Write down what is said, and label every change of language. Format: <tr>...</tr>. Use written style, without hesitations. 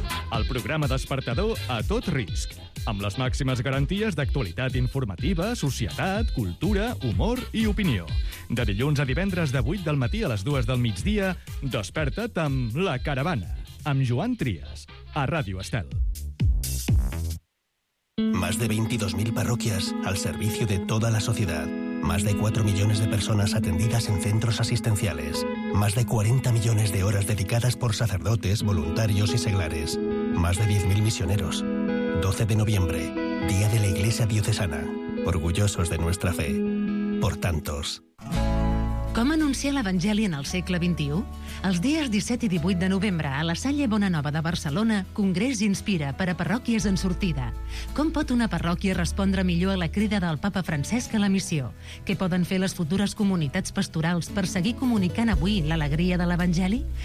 <ca>El programa despertador a tot risc, amb les màximes garanties d'actualitat informativa, societat, cultura, humor i opinió. De dilluns a divendres de 8 del matí a les 2 del migdia, desperta't amb la caravana, amb Joan Trias, a Ràdio Estel.</ca> <es>Más de 22.000 parroquias al servicio de toda la sociedad. Más de 4 millones de personas atendidas en centros asistenciales. Más de 40 millones de horas dedicadas por sacerdotes, voluntarios y seglares. Más de 10.000 misioneros. 12 de noviembre, Día de la Iglesia Diocesana. Orgullosos de nuestra fe. Por tantos.</es> <ca>Com anunciar l'Evangeli en el segle XXI? Els dies 17 i 18 de novembre a la Salle Bonanova de Barcelona, Congrés Inspira per a parròquies en sortida. Com pot una parròquia respondre millor a la crida del Papa Francesc a la missió? Què poden fer les futures comunitats pastorals per seguir comunicant avui l'alegria de l'Evangeli?</ca>